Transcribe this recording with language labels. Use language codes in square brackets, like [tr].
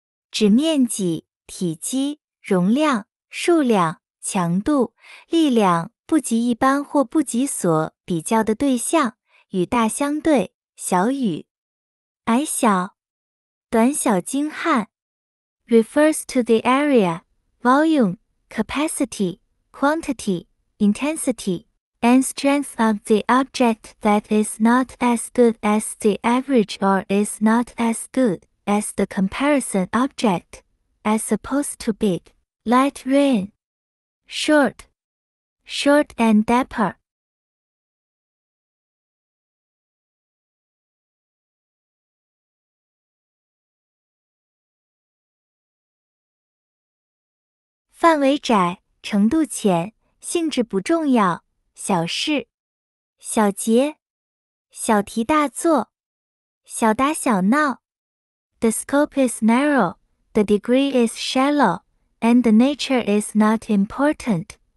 [zh] 指面积、体积、容量、数量、强度、力量、不及一般或不及所比较的对象，与大相对，小与，矮小，短小精悍。 [en] Refers to the area, volume, capacity, quantity, intensity, and strength of the object that is not as good as the average or is not as good. As the comparison object, as opposed to big, light rain, short, short and dapper. [zh] 范围窄，程度浅，性质不重要，小事，小节，小题大做，小打小闹。 [en] The scope is narrow, the degree is shallow, and the nature is not important.